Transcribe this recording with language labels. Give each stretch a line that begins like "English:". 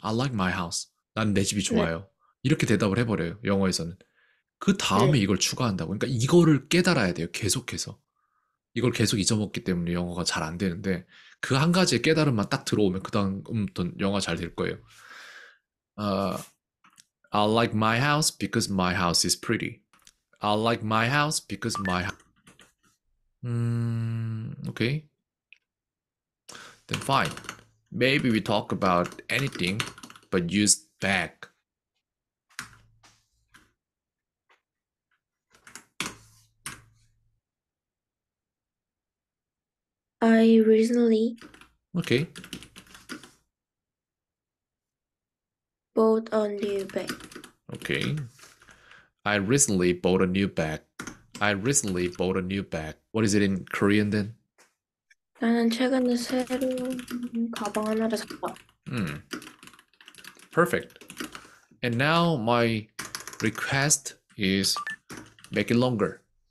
English: I like my house.
Korean: 난내 집이 좋아요. 이렇게 대답을 해버려요, 영어에서는. 그 다음에 이걸 추가한다고. 그러니까 이거를 깨달아야 돼요, 계속해서. 이걸 계속 잊어먹기 때문에 영어가 잘안 되는데 그한 가지의 깨달음만 딱 들어오면 그다음부터 영어 잘될 거예요.
English: I like my house because my house is pretty. I like my house because my house. Okay. Then fine. Maybe we talk about anything, but use back. I recently Okay. bought a new bag. Okay. I recently bought a new bag. I recently bought a new bag. What is it in Korean then?
Korean: 나는 최근에 새로운 가방 하나를 샀다.
English: Perfect. And now my request is make it longer.